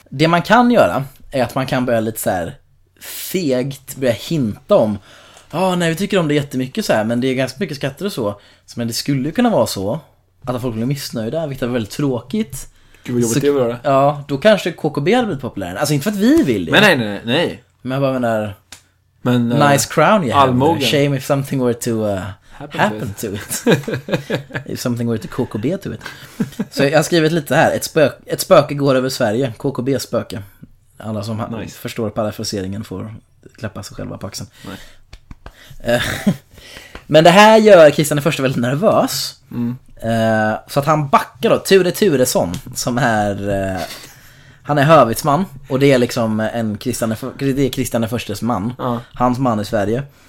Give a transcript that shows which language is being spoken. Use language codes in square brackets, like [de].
[sv] Det man kan göra är att man kan börja lite så här fegt börja hinta om, ja, nej, vi tycker om det jättemycket så här, men det är ganska mycket skatter och så. Så men det skulle kunna vara så att folk blir missnöjda, vilket är väldigt tråkigt. Så, ja, då kanske KKB hade blivit populär. Alltså inte för att vi vill det. Men nej. Men jag bara menar, men, [en] nice crown you have. Shame if something were to happen to it. If something were to KKB to it. [sv] Så jag har skrivit lite här. Ett spöke går över Sverige. KKB-spöke. Alla som [en] nice. [sv] Förstår parafraseringen får klappa sig själva på axeln. Men det här gör Christian I väldigt nervös. Mm. Så att han backar då Ture Turesson, som är han är hövitsman, och det är liksom en Kristian, det är Kristian I:s man, hans man i Sverige.